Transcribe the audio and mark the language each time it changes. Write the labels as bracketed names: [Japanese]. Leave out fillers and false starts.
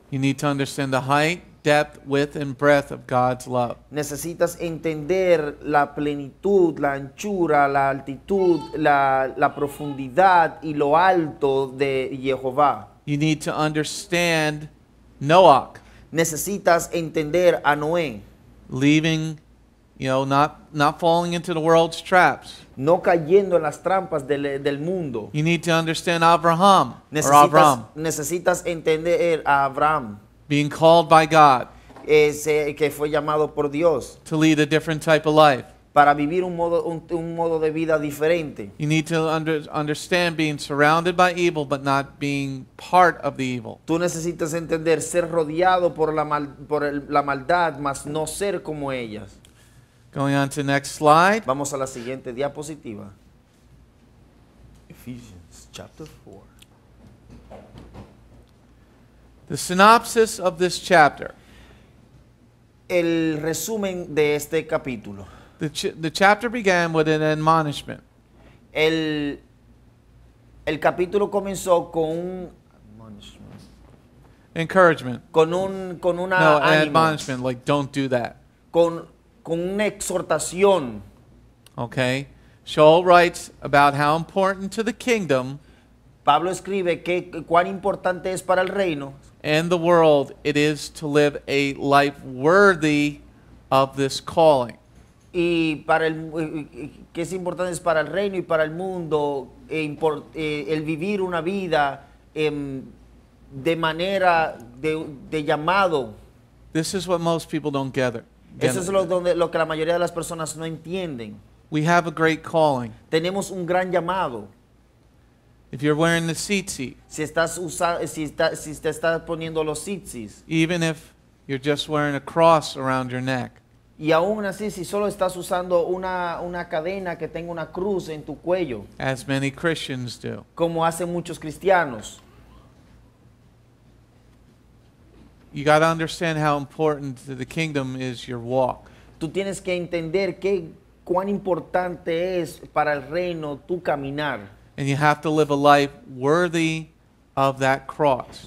[English] you need to understand the height, depth, width, and breadth of God's love. [Spanish] Necesitas entender la plenitud, la anchura, la altitud, la profundidad y lo alto de Jehová. [English] You need to understand Noach. [Spanish] Necesitas entender a Noé. [English] Leaving, you know, not falling into the world's traps. [Spanish] No cayendo en las trampas del mundo. [English] You need to understand Abraham. Abraham. [Spanish] Necesitas entender a Abraham. [English] Being called by God. [Spanish] Ese que fue llamado por Dios. [English] To lead a different type of life. [Spanish] Para vivir un modo de vida diferente. [English] You need to understand being surrounded by evil, but not being part of the evil. [Spanish] Tú necesitas entender ser rodeado por la maldad, mas no ser como ellas. [English] Going on to the next slide. [Spanish] Vamos a la siguiente diapositiva. [English] Ephesians chapter 4. The synopsis of this chapter. [Spanish] El resumen de este capítulo. [English] The chapter began with an admonishment. [Spanish] El capítulo comenzó con un [English] admonishment. Encouragement. Admonishment, like don't do that. [Spanish] Con una exhortación. [English] Okay. Sha’ul writes about how important to the kingdom. [Spanish] Pablo escribe que cuán importante es para el reino. [English] And the world it is to live a life worthy of this calling. [Spanish] Y para el que es importante es para el reino y para el mundo el vivir una vida de manera de llamado. [English] This is what most people don't gather. [Spanish] Eso es lo que la mayoría de las personas no entienden. [English] We have a great calling. [Spanish] Tenemos un gran llamado. [English] If you're wearing the tzitzit, [Spanish] si te estás poniendo los tzitzis, [English] even if you're just wearing a cross around your neck, [Spanish] y aún así si solo estás usando una cadena que tenga una cruz en tu cuello, [English] as many Christians do, [Spanish] como hacen muchos cristianos, [English] you got to understand how important to the kingdom is your walk. [Spanish] Tú tienes que entender qué cuán importante es para el reino tu caminar. [English] And you have to live a life worthy of that cross.